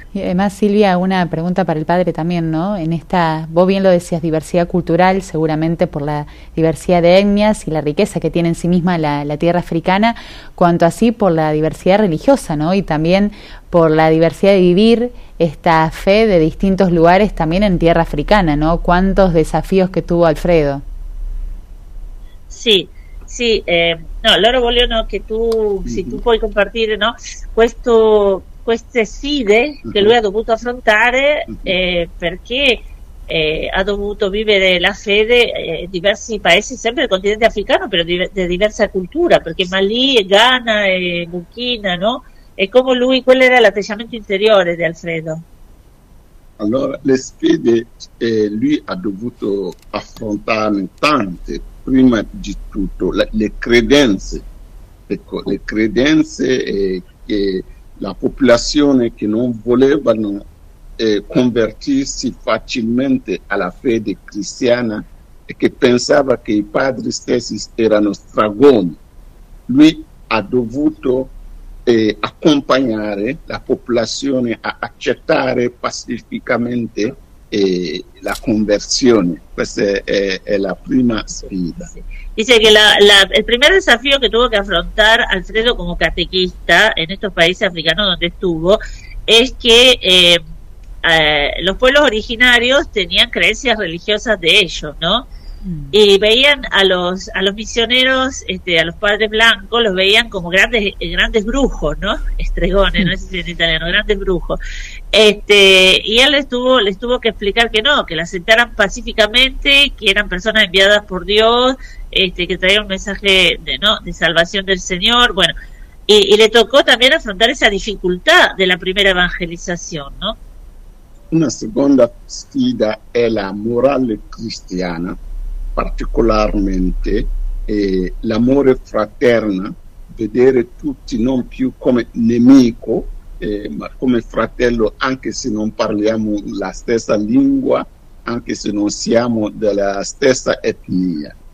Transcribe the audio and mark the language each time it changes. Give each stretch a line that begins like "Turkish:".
Spanish: Y además, Silvia, una pregunta para el padre también, ¿no? En esta, vos bien lo decías, diversidad cultural, seguramente por la diversidad de etnias y la riqueza que tiene en sí misma la tierra africana, cuanto así por la diversidad religiosa, ¿no? Y también por la diversidad de vivir esta fe de distintos lugares también en tierra africana, ¿no? ¿Cuántos desafíos que tuvo Alfredo?
Italian: Sí, no, loro voglio, no,
Spanish: que tú, si tú
Italian: puoi compartire, no, queste sfide che lui ha dovuto affrontare, perché ha dovuto vivere la fede in diversi paesi, sempre del continente africano, però di diversa cultura, perché Malì, Ghana e Burkina, no? E come lui, qual era l'atteggiamento interiore di Alfredo? Allora, le sfide lui ha dovuto affrontarne tante, prima di tutto le credenze, ecco, le credenze che la popolazione che non volevano convertirsi facilmente alla fede cristiana e che pensava che i padri stessi erano stregoni. Lui ha dovuto accompagnare la popolazione a accettare pacificamente la conversione. Questa è la prima sfida.
Spanish: Dice que el primer desafío que tuvo que afrontar Alfredo como catequista en estos países africanos donde estuvo es que los pueblos originarios tenían creencias religiosas de ellos, ¿no? Y veían a los misioneros, a los padres blancos, los veían como grandes brujos, ¿no? Estregones, no sé si en italiano, grandes brujos. Y él les tuvo que explicar que no, que la aceptaran pacíficamente, que eran personas enviadas por Dios, que traían un mensaje ¿no? de salvación del Señor. Bueno, y le tocó también afrontar esa dificultad de la primera evangelización, ¿no?
Italian: Una seconda sfida è la morale cristiana, particolarmente l'amore fraterno, vedere tutti non più come nemico, ma come fratello, anche se non parliamo la stessa lingua, anche se non siamo della stessa etnia.